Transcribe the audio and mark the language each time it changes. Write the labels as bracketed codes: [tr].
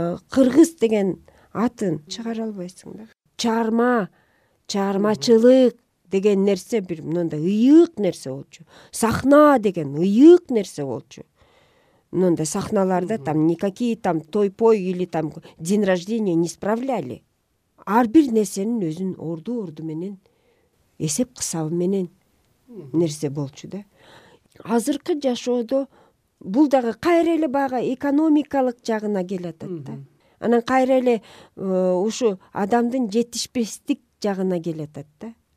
[ky] Кыргыз деген атын чыгара албайсың да. Чыгарма, чыгармачылык деген нерсе бир мындай ыйык нерсе болчу. Сахна деген ыйык нерсе болчу. Мындай сахналарда [ru] там никакие там той-пой или там день рождения не справляли. [ky] Ар бир нерсенин өзүн орду-орду менен эсеп кысабы менен нерсе болчу да. Азыркы жашоодо бул дагы кайра эле баягы экономикалык жагына келе жатат да. Анан кайра эле ушу адамдын жетишпестик жагына келе жатат да.